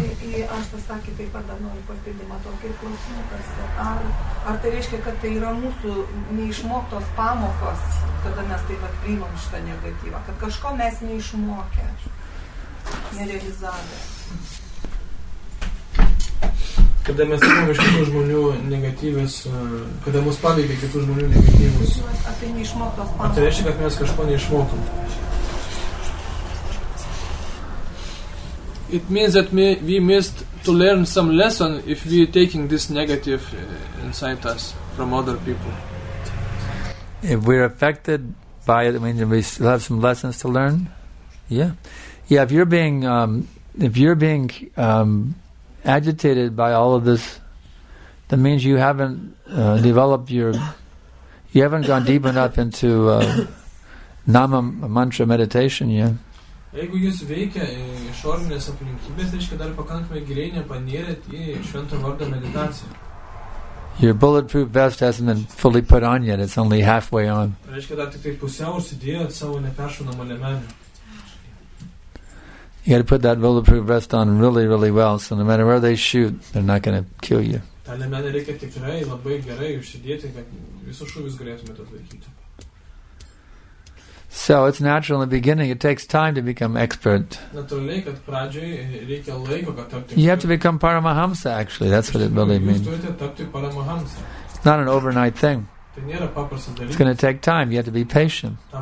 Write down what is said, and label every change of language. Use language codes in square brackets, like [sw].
[lt] Aš pasakė, taip pat dar noriu papildymą tokį klausimą, ar tai reiškia, kad tai yra mūsų neišmoktos pamokos, kada mes taip pat priimam šitą negatyvą, kad kažko mes neišmokė, nerealizavę. Kada mes priimam iš kitų žmonių negatyvės, kada mus paveikia kitų žmonių negatyvus. Ar tai neišmoktos pamokos? Ar tai reiškia, kad mes kažko neišmokom? [en] It means that we missed to learn some lesson if we are taking this negative inside us from other people. If we're affected by it, it means we still have some lessons to learn. Yeah. Yeah, if you're being agitated by all of this, that means you haven't developed your... You haven't gone deep enough into Nama Mantra meditation yet. Yeah. [lt] Jeigu jūs veikia išorinės aplinkybės, reiškia dar pakankamai giliai nepanėrėt į švento vardo meditaciją. [en] Your bulletproof vest hasn't been fully put on yet, it's only halfway on. [lt] Reiškia dar tik pusiau užsidėjot savo neperšaunamą liemenę. [en] You gotta put that bulletproof vest on really, really well, so no matter where they shoot, they're not gonna kill you. [lt] Tą liemenę reikia tikrai labai gerai užsidėti, kad visus šūvius galėtumėt atlaikyti. [en] So it's natural in the beginning, it takes time to become expert. You have to become Paramahamsa, actually, that's what it really means. It's not an overnight thing. It's going to take time, you have to be patient.